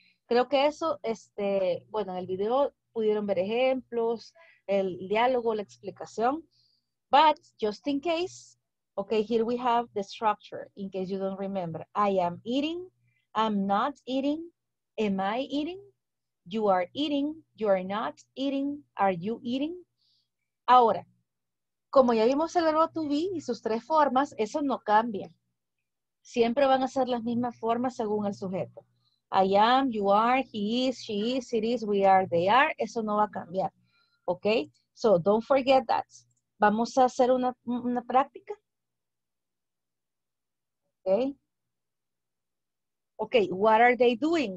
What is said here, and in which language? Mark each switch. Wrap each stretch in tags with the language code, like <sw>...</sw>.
<es>Creo que eso, bueno, en el video pudieron ver ejemplos, el diálogo, la explicación.</es> <en>But just in case, okay, here we have the structure in case you don't remember. I am eating, I'm not eating. Am I eating? You are eating, you are not eating, are you eating?</en> <es>Ahora, como ya vimos el verbo to be y sus tres formas, eso no cambia. Siempre van a ser las mismas formas según el sujeto.</es> <en>I am, you are, he is, she is, it is, we are, they are.</en> <es>Eso no va a cambiar. ¿Ok?</es> <en>So, don't forget that.</en> <es>Vamos a hacer una práctica.</es> <en>¿Ok? Ok, what are they doing?</en>